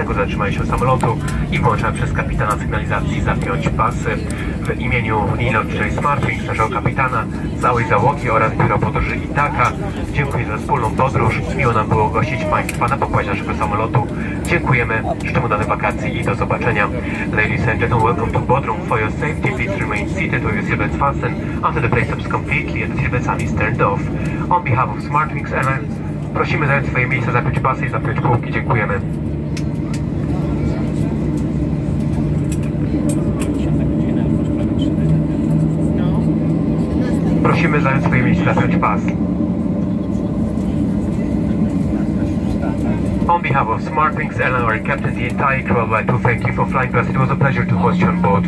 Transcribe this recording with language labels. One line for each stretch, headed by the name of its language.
Polish: Trzymaj się samolotu i włączam przez kapitana sygnalizacji zapiąć pasy. W imieniu Nino J. Smarting, starszego kapitana, całej załogi oraz biura podróży Itaka dziękuję za wspólną podróż. Miło nam było gościć Państwa na pokładzie naszego samolotu. Dziękujemy, życzę udanych wakacji i do zobaczenia.
English: Ladies and gentlemen, welcome to Bodrum. For your safety, please remain seated with your seatbelts fastened until the place is completely and the seatbelts are turned off. On behalf of Smartwings Airlines,
Polish: prosimy zająć swoje miejsca, zapiąć pasy i zapiąć kółki. Dziękujemy. Prosimy zająć swoje miejsce, zapiąć pas.
English: On behalf of Smartwings, Ellen, our captain, the entire crew, I'd like to thank you for flying us. It was a pleasure to host you on board.